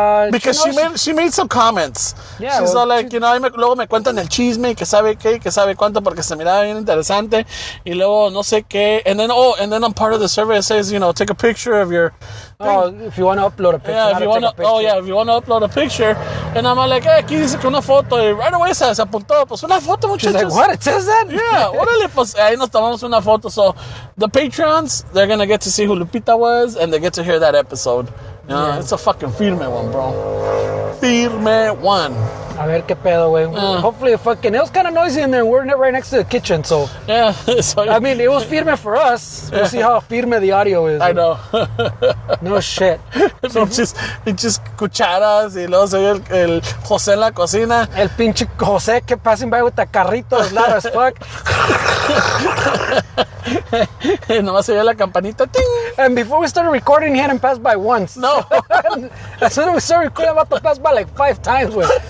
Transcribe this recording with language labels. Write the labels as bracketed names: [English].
[English] Because she made some comments. Yeah, she's all like, you know, [Spanish] luego me cuentan el chisme, que sabe qué, que sabe cuánto, porque se miraba bien interesante, y luego no sé qué. [English] And then on part of the survey it says, you know, take a picture of your... If you want to upload a picture. Yeah, if you want to upload a picture. And I'm like, hey, [Spanish] aquí dice que una foto. Y [English] right away [Spanish] se apuntó, pues una foto, muchachos. [English] She's like, what, it says that? [Spanish] Yeah, órale, pues ahí nos tomamos una foto. [English] So the patrons, they're going to get to see who Lupita was, and they get to hear that episode. Yeah, it's a fucking firme one, bro. Firme one. [Spanish] A ver qué pedo, güey. [English] Hopefully, fucking, it was kind of noisy in there. And we're right next to the kitchen, so. Yeah. I mean, it was firme for us. We'll see how firme the audio is. I know. No shit. So, just [Spanish] cucharas y luego se ve el José en la cocina. El pinche José que [English] passing by with the carrito is loud as fuck. [Spanish] Nomás se ve la campanita. Ting. [English] And before we started recording, he hadn't passed by once. No. As soon as we started recording, I'm about to pass by like 5 times, güey.